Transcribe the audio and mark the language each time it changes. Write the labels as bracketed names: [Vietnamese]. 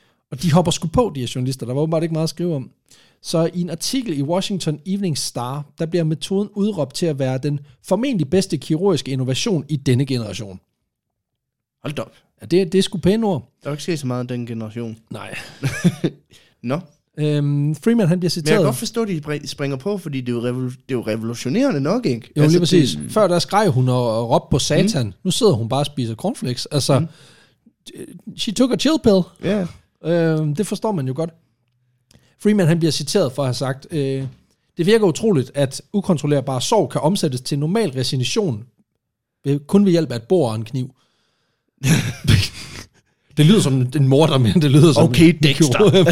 [Danish] Og de hopper sgu på, de her journalister. Der var åbenbart ikke meget at skrive om. Så i en artikel i Washington Evening Star, der bliver metoden udråbt til at være den formentlig bedste kirurgiske innovation i denne generation. Hold da op. Ja, det er sgu pæne ord. Der er ikke sket så meget af den generation. Nej. Nå. Freeman, han bliver citeret. Men jeg kan godt forstå, at de springer på, fordi det er jo revolutionerende nok, ikke? Jo, altså, lige præcis. Før der skreg hun og råbte på satan. Mm. Nu sidder hun bare og spiser cornflakes. [English] Altså, she took a chill pill. Ja. Yeah. [Danish] Det forstår man jo godt. Freeman, han bliver citeret for at have sagt, det virker utroligt, at ukontrollerbare sorg kan omsættes til normal resignation, kun ved hjælp af et bord og en kniv. Det lyder som en morder, men det lyder som okay, Dexter.